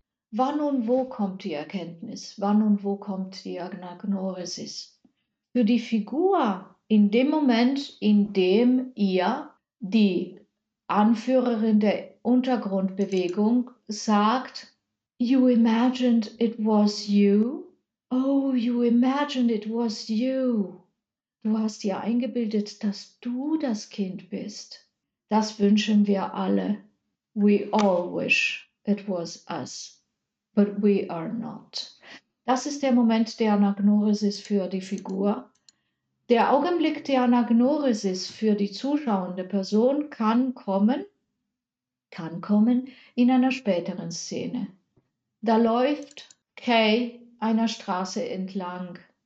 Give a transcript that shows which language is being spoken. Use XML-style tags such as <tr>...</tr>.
<de>Wann und wo kommt die Erkenntnis? Wann und wo kommt die Anagnorisis? Für die Figur in dem Moment, in dem ihr die Anführerin der Untergrundbewegung sagt,</de> <en>you imagined it was you? Oh, you imagined it was you.</en> <de>Du hast dir eingebildet, dass du das Kind bist. Das wünschen wir alle.</de> <en>We all wish it was us, but we are not.</en> <de>Das ist der Moment der Anagnorisis für die Figur. Der Augenblick der Anagnorisis für die zuschauende Person kann kommen in einer späteren Szene. Da läuft Kay einer Straße entlang.</de>